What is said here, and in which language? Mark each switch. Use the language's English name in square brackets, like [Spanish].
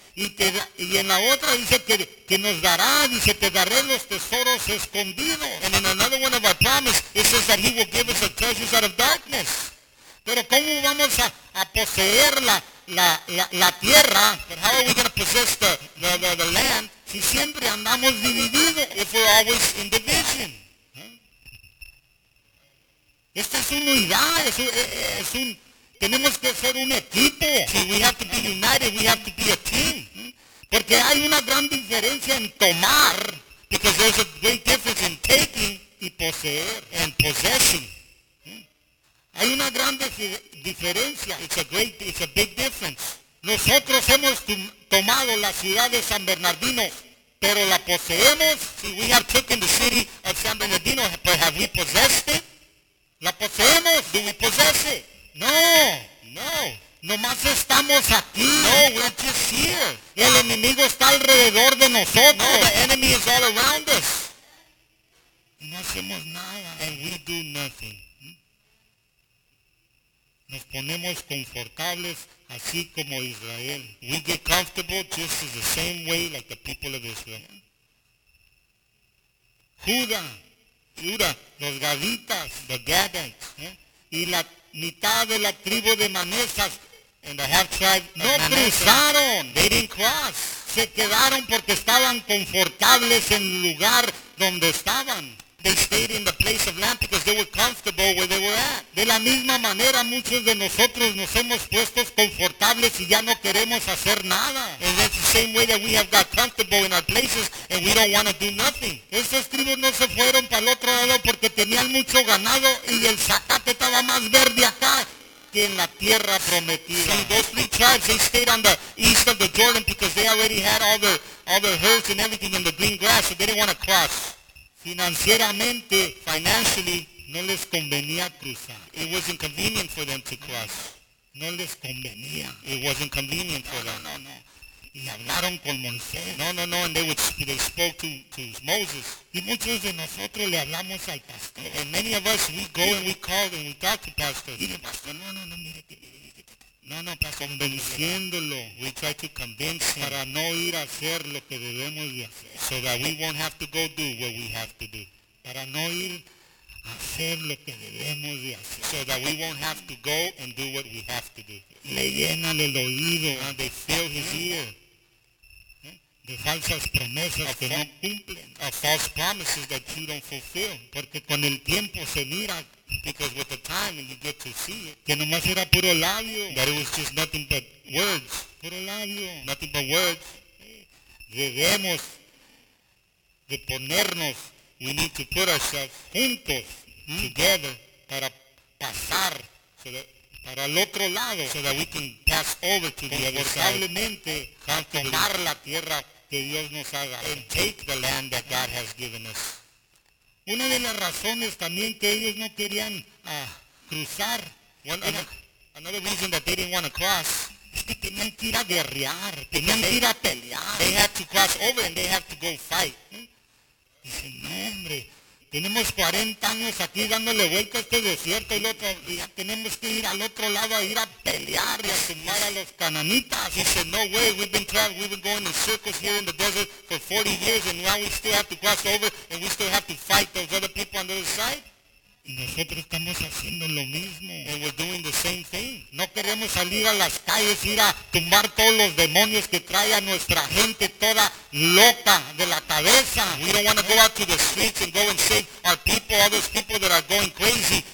[Spanish] Y en la otra dice que nos dará, dice, te daré los tesoros escondidos. [English] And in another one of our promises, it says that he will give us the treasures out of darkness. [Spanish] Pero ¿cómo vamos a poseer la tierra? [English] But how are we going to possess the land [Spanish] si siempre andamos divididos? [English] If we're always in division. ¿Eh? [Spanish] Esta es una unidad. Tenemos que ser un equipo. [English] See, we have to be united. We have to be a team. ¿Eh? [Spanish] Porque hay una gran diferencia en tomar. [English] Because there's a great difference in taking [Spanish] y poseer. [English] And possessing. [Spanish] Hay una gran diferencia. [English] It's a big difference. [Spanish] Nosotros hemos tomado la ciudad de San Bernardino, pero la poseemos. [English] See, we have taken the city of San Bernardino, but have we possessed it? [Spanish] La poseemos. [English] Do we possess it? [Spanish] No. [English] No. [Spanish] Nomás estamos aquí. [English] No, we're just here. [Spanish] El enemigo está alrededor de nosotros. [English] No, the enemy is all around us. [Spanish] No hacemos nada. [English] And we do nothing. [Spanish] Nos ponemos confortables así como Israel. [English] We get comfortable just as the same way like the people of Israel. [Spanish] Judas, los gaditas, [English] the gadites, [Spanish] y la mitad de la tribu de Manasés. [English] And the half tribe [Spanish] no cruzaron. [English] They didn't cross. [Spanish] Se quedaron porque estaban confortables en el lugar donde estaban. [English] They stayed in the place of land because they were comfortable where they were at. [Spanish] De la misma manera, muchos de nosotros nos hemos puesto confortables y ya no queremos hacer nada. [English] And that's the same way that we have got comfortable in our places and we don't want to do nothing. [Spanish] Esos tribus no se fueron para el otro lado porque tenían mucho ganado y el zacate estaba más verde acá que en la tierra prometida. [English] See, those three tribes, they stayed on the east of the Jordan because they already had all the herds and everything in the green grass, so they didn't want to cross. [Spanish] Financieramente, [English] financially, [Spanish] no les convenía cruzar. [English] It wasn't convenient for them to cross. [Spanish] No les convenía. [English] It wasn't convenient for them. [Spanish] No. Y hablaron con Moisés. [English] No. And they spoke to Moses. [Spanish] Y muchos de nosotros le hablamos al pastor. [English] And many of us, we go and we call and we talk to pastors. [Spanish] Y el pastor, no, mire que... [English] No, pastor. [Spanish] Convenciéndolo. [English] We try to convince him. [Spanish] Para no ir a hacer lo que debemos de hacer. [English] So that we won't have to go do what we have to do. [Spanish] Para no ir a hacer lo que debemos de hacer. [English] So that we won't have to go and do what we have to do. [Spanish] Le llenan el oído. [English] And they fill his ear. [Spanish] De falsas promesas que no cumplen. [English] Of false promises that you don't fulfill. [Spanish] Porque con el tiempo se mira. [English] Because with the time you get to see it. [Spanish] Que nomás era puro labio. [English] That it was just nothing but words. [Spanish] Puro labio. [English] Nothing but words. [Spanish] Debemos de ponernos. [English] We need to put ourselves [Spanish] juntos. [English] Together. [Spanish] Para pasar. [English] So that, [Spanish] para el otro lado. [English] So that we can pass over to the other side. [Spanish] Probablemente. Tomar la tierra que Dios nos ha dado. [English] And take the land that God has given us. [Spanish] Una de las razones también que ellos no querían cruzar. [English] Another reason that they didn't want to cross. [Spanish] Es que tenían que ir a guerrear. Tenían que ir a pelear. [English] They had to cross over and they had to go fight. [Spanish] Dicen, no hombre. Tenemos 40 años aquí dándole vuelta a este desierto y, otro, y ya tenemos que ir al otro lado a ir a pelear y a tomar a los cananitas. [English] He said, no way, we've been going in circles here in the desert for 40 years and now we still have to cross over and we still have to fight those other people on the other side. [Spanish] Y nosotros estamos haciendo lo mismo. [English] And we're doing the same thing. [Spanish] No queremos salir a las calles ir a tumbar todos los demonios que trae a nuestra gente toda loca de la cabeza. [English] We don't want to go out to the streets and go and save our people, all those people that are going crazy.